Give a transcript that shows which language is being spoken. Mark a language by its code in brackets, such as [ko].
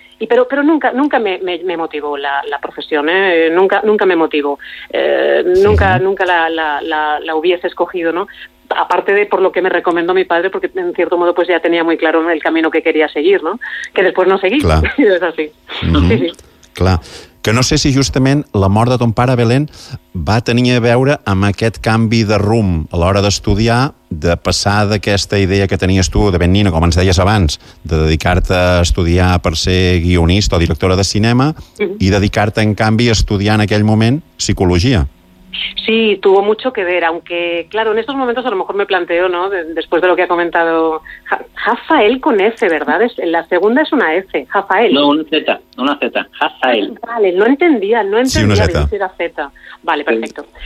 [es] Y pero nunca me motivó la profesión, ¿eh? nunca me motivó, nunca la hubiese escogido, ¿no? Aparte de por lo que me recomendó mi padre, porque en cierto modo pues ya tenía muy claro el camino que quería seguir, ¿no? Que después no seguí, claro. Es así. Mm-hmm. Sí, sí. [ca] Clar. Que no sé si justament la mort de ton pare, Belén, va tenir a veure amb aquest canvi de rumb a l'hora d'estudiar, de passar d'aquesta idea que tenies tu de ben nina, com ens deies abans, de dedicar-te a estudiar per ser guionista o directora de cinema, i dedicar-te, en canvi, a estudiar en aquell moment psicologia. [es] Sí, tuvo mucho que ver, aunque, claro, en estos momentos a lo mejor me planteo, ¿no?, después de lo que ha comentado Rafael con F, ¿verdad? La segunda es una F, Rafael. No, una Z, Rafael. Vale, no entendía si era Z. Vale, perfecto.